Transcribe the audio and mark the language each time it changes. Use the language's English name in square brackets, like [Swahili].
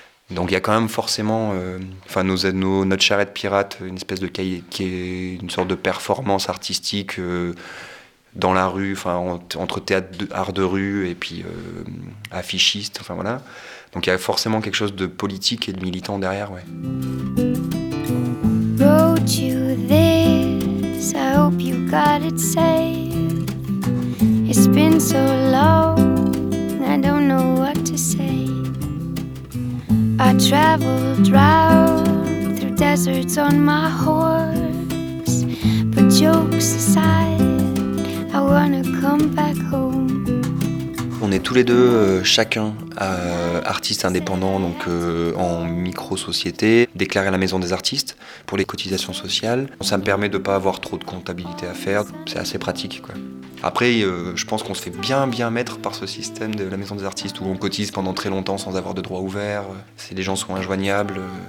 [French] Donc il y a quand même forcément, notre charrette pirate, une espèce de cahier qui est une sorte de performance artistique dans la rue, entre théâtre, art de rue et puis affichiste, Donc il y a forcément quelque chose de politique et de militant derrière, ouais. [English] Wrote you this, I hope you got it safe. It's been so long, I don't know what to say. I traveled round through deserts on my horse. But jokes aside, I wanna come back home. [French] On est tous les deux, chacun, artistes indépendants, donc en micro-société, déclarés à la maison des artistes pour les cotisations sociales. Ça me permet de ne pas avoir trop de comptabilité à faire, c'est assez pratique, quoi. Après, je pense qu'on se fait bien mettre par ce système de la maison des artistes où on cotise pendant très longtemps sans avoir de droits ouverts, si les gens sont injoignables.